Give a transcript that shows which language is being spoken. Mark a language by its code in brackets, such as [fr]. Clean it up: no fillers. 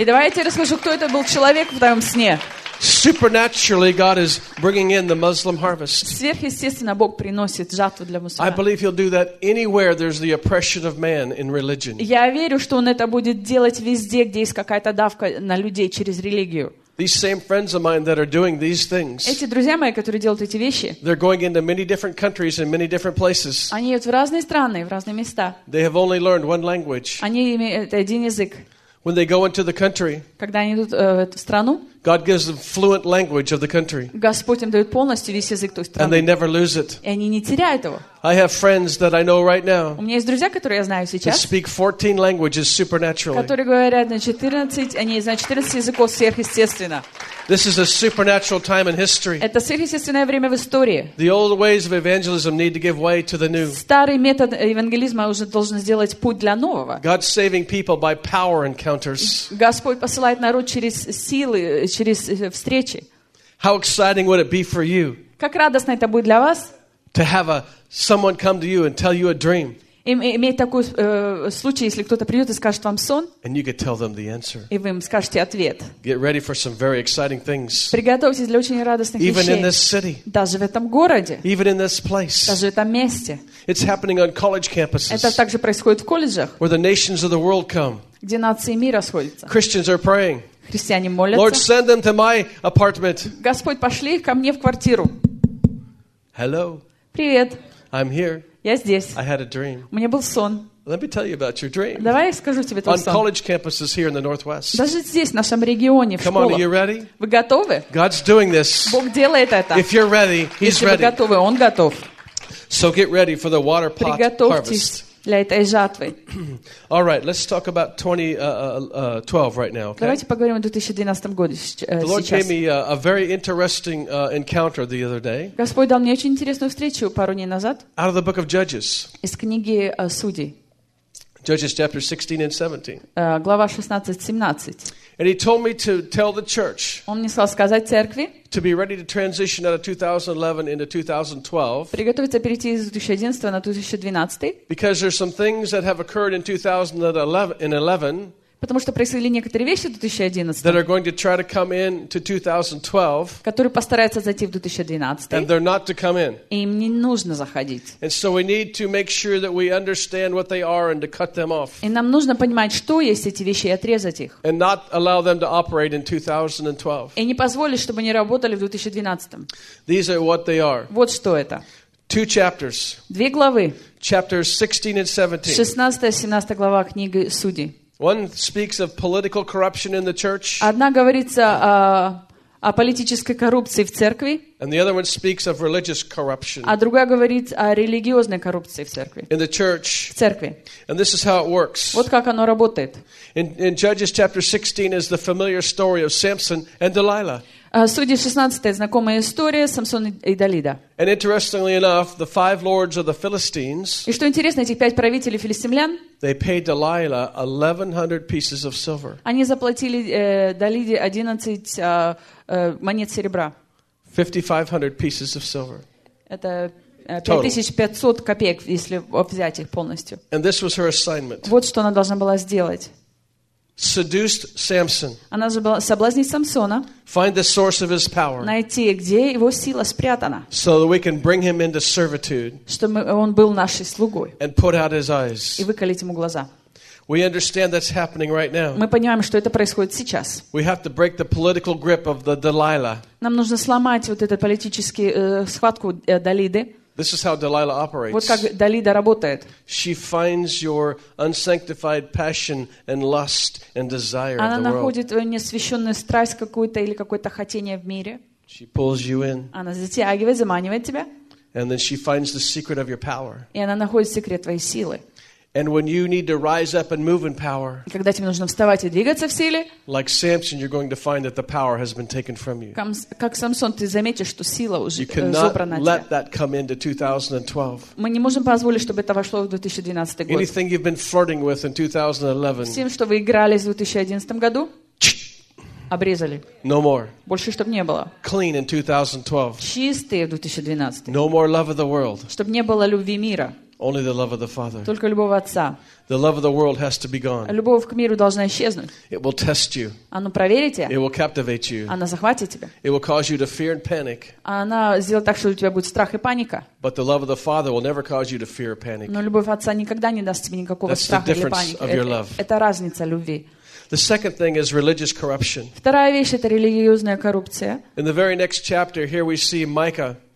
[ru] И давайте я расскажу, кто это был человек в твоём сне. [en] Supernaturally, God is bringing in the Muslim harvest. [ru] Сверхъестественно Бог приносит жатву для мусульман. [en] I believe He'll do that anywhere there's the oppression of man in religion. [ru] Я верю, что Он это будет делать везде, где есть какая-то давка на людей через религию. [en] These same friends of mine that are doing these things. [ru] Эти друзья мои, которые делают эти вещи. [en] They're going into many different countries and many different places. [ru] Они едут в разные страны, в разные места. [en] They have only learned one language. [ru] Они имеют один язык. [en] When they go into the country, [ru] когда они идут в эту страну, [en] God gives them fluent language of the country. [ru] Господь им дает полностью весь язык той страны. [en] And they never lose it. [ru] И они не теряют его. [en] I have friends that I know right now. [ru] У меня есть друзья, которые я знаю сейчас. [en] They speak 14 languages supernaturally. [ru] Которые говорят на 14, они знают 14 языков сверхъестественно. [en] This is a supernatural time in history. [ru] Это сверхъестественное время в истории. [en] The old ways of evangelism need to give way to the new. [ru] Старый метод евангелизма уже должен сделать путь для нового. [en] God's saving people by power encounters. [ru] Господь посылает народ через силы, через встречи. [en] How exciting would it be for you? [ru] Как радостно это будет для вас? [en] To have someone come to you and tell you a dream. [ru] Иметь такой случай, если кто-то придет и скажет вам сон. [en] And you could tell them the answer. [ru] И вы им скажете ответ. [en] Get ready for some very exciting things. [ru] Приготовьтесь для очень радостных [en] Even [ru] вещей. [en] In this city. [ru] Даже в этом городе. [en] Even in this place. [ru] Даже в этом месте. [en] It's happening on college campuses. [ru] Это также происходит в колледжах. [en] Where the nations of the world come. [ru] Где нации мира сходятся. [en] Christians are praying. [ru] Христиане молятся. [en] Lord, send them to my apartment. [ru] Господь, пошли ко мне в квартиру. [en] Hello. [ru] Привет. [en] I'm here. [ru] Я здесь. [en] I had a dream. [ru] У меня был сон. [en] Let me tell you about your dream. [ru] Давай я скажу тебе твой [en] On [ru] сон. [en] On college campuses here in the Northwest. [ru] Даже здесь, в нашем регионе, в [en] Come [ru] школах. [en] On, are you ready? [ru] Вы готовы? [en] God's doing this. [ru] Бог делает это. [en] If you're ready, He's [ru] Если [en] ready. [ru] Вы готовы, Он готов. [en] So get ready for the water pot [ru] Приготовьтесь [en] harvest. [ru] Для этой жатвы. [en] All right, let's talk about 2012 right now. Okay? [ru] Давайте поговорим о 2012 году сейчас. [en] The Lord gave me a very interesting encounter the other day. [ru] Господь дал мне очень интересную встречу пару дней назад. [en] Out of the book of Judges. [ru] Из книги Судей. [en] Judges chapter 16 and 17. [ru] Глава 16-17. [en] And he told me to tell the church. [ru] Он мне сказал сказать церкви. [en] To be ready to transition out of 2011 into 2012. [ru] Приготовиться перейти из 2011 на 2012. [en] Because there's some things that have occurred in 2011. [ru] Потому что происходили некоторые вещи в 2011. [en] That are going to try to come in to 2012. [ru] Которые постараются зайти в 2012. [en] And they're not to come in. [ru] И им не нужно заходить. [en] And so we need to make sure that we understand what they are and to cut them off. [ru] И нам нужно понимать, что есть эти вещи и отрезать их. [en] And not allow them to operate in 2012. [ru] И не позволить, чтобы они работали в 2012. [en] These are what they are. [ru] Вот что это. [en] Two chapters. [ru] Две главы. [en] Chapters 16 and 17. [ru] 16-17 глава книги Судей. [en] One speaks of political corruption in the church. [ru] Одна говорится о политической коррупции в церкви. [en] And the other one speaks of religious corruption. [ru] А другая говорит о религиозной коррупции в церкви. [en] In the church. [ru] В церкви. [en] And this is how it works. [ru] Вот как оно работает. [en] In Judges chapter 16 is the familiar story of Samson and Delilah. [ru] Судьи 16 знакомая история Самсон и Далида. [en] And interestingly enough, the five lords of the Philistines. [ru] И что интересно, этих пять правителей филистимлян. [en] They paid Delilah 1,100 pieces of silver. [ru] Они заплатили Далиде 11 монет серебра. [en] 5,500 pieces of silver. [ru] Это 5,500 копеек, если взять их полностью. [en] And this was her assignment. [ru] Вот что она должна была сделать. [en] Seduced Samson. [ru] Она забыла соблазнить Самсона. [en] Find the source of his power. [ru] Найти, где его сила спрятана. [en] So that we can bring him into servitude. [ru] Чтобы он был нашей слугой. [en] And put out his eyes. [ru] И выколить ему глаза. [en] We understand that's happening right now. [ru] Мы понимаем, что это происходит сейчас. [en] We have to break the political grip of the Delilah. [ru] Нам нужно сломать вот этот политический схватку Далиды. [en] This is how Delilah operates. [ru] Вот как Далида работает. [en] She finds your unsanctified passion and lust and desire [ru] Она Она находит несвященную страсть какую-то или какое-то хотение в мире. [en] She pulls you in. [ru] Она затягивает, заманивает тебя. [en] And then she finds the secret of your power. [ru] И она находит секрет твоей силы. [en] And when you need to rise up and move in power, [ru] когда тебе нужно вставать и двигаться в силе, [en] like Samson, you're going to find that the power has been taken from you. [ru] Как Самсон, ты заметишь, что сила уже забрана тебя. [en] You cannot let that come into 2012. [ru] Мы не можем позволить, чтобы это вошло в 2012 год. [en] Anything you've been flirting with in 2011, [ru] всем, что вы играли в 2011 году, обрезали. [en] No more. [ru] Больше, чтобы не было. [en] Clean in 2012. [ru] Чистые в 2012. [en] No more love of the world. [ru] Чтобы не было любви мира. [en] Only the love of the Father. [ru] Только любовь Отца. [en] The love of the world has to be gone. [ru] Любовь к миру должна исчезнуть. [en] It will test you. [ru] Оно проверит тебя. [en] It will captivate you. [ru] Оно захватит тебя. [en] It will cause you to fear and panic. [ru] Оно сделает так, что у тебя будет страх и паника. [en] But the love of the Father will never cause you to fear or panic. [ru] Но любовь Отца никогда не даст тебе никакого страха или паники. [en] That's the difference of your love. [ru] Это разница любви. [en] The second thing is religious corruption. [ru] Вторая вещь — это религиозная коррупция. [en] In the very next chapter, here we see Micah.